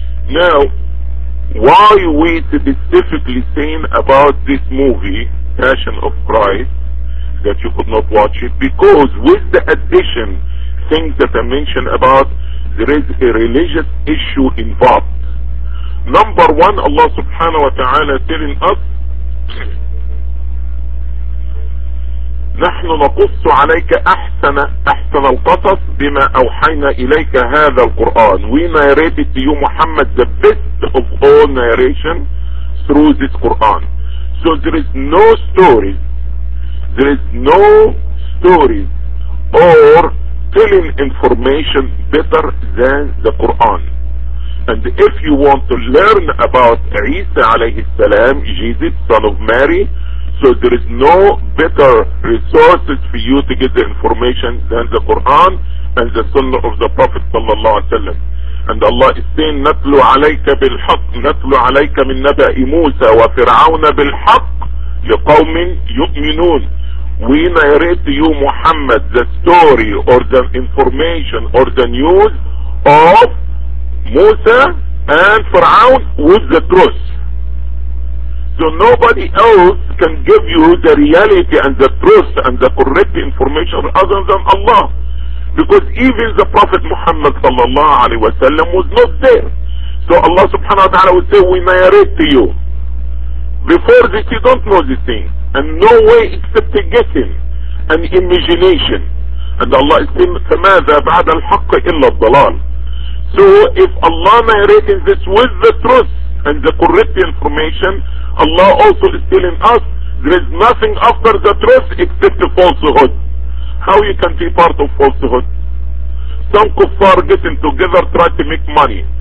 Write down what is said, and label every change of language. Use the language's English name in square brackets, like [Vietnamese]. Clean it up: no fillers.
[English] Now, why we specifically saying about this movie, Passion of Christ, that you could not watch it? Because with the addition, things that I mentioned about, there is a religious issue involved. Number one, Allah subhanahu wa ta'ala telling us, [Arabic] نحن نقص عليك أحسن القصص بما أوحينا إليك هذا القرآن. [English] We narrated to you Muhammad the best of all narration through this Quran. So there is no story, there is no stories or telling information better than the Quran. And if you want to learn about Isa alayhi salam, Jesus, son of Mary, so there is no better resources for you to get the information than the Quran and the Sunnah of the Prophet sallallahu alayhi wasallam. And Allah is saying, [Arabic] نَتْلُ عَلَيْكَ بِالْحَقِّ نَتْلُ عَلَيْكَ مِنْ نَبَأِ مُوسَى وَفِرْعَوْنَ بِالْحَقِّ لِقَوْمٍ يُؤْمِنُونَ. [English] We narrate to you, Muhammad, the story or the information or the news of Musa and Fir'aun with the truth. So nobody else can give you the reality and the truth and the correct information other than Allah. Because even the Prophet Muhammad sallallahu alaihi wasallam was not there. So Allah subhanahu wa ta'ala would say, we narrate to you. Before this, you don't know this thing. And no way except a guessing and imagination. And Allah is saying, [Arabic] فَمَاذَا بَعْدَ الْحَقِّ إِلَّا الضَّلَالِ. [English] So if Allah narrating this with the truth and the correct information, Allah also is telling us, there is nothing after the truth except the falsehood. How you can be part of falsehood? Some kuffar getting together try to make money.